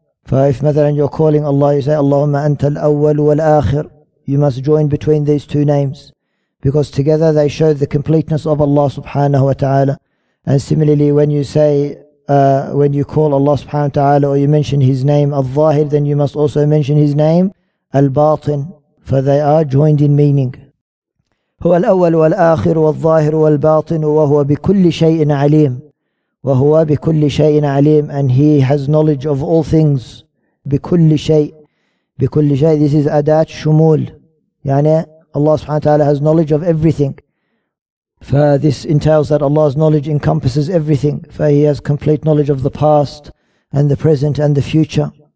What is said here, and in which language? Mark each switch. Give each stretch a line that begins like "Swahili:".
English: For if mathalan you're calling Allah, you say,
Arabic: Allahumma anta al-Awwal wal-Akhir,
English: you must join between these two names, because together they show the completeness of Allah subhanahu wa ta'ala. And similarly, when you say, when you call Allah subhanahu wa ta'ala, or you mention his name al-Zahir, then you must also mention his name al-Batin, for they are joined in meaning.
Arabic: هو الأول والآخر والظاهر والباطن وهو بكل شيء عليم وهو بكل شيء عليم.
English: And he has knowledge of all things.
Arabic: بكل شيء, بكل شيء,
English: this is
Arabic: adat shumul,
English: يعني Allah subhanahu wa ta'ala has knowledge of everything. For this entails that Allah's knowledge encompasses everything. For he has complete knowledge of the past and the present and the future.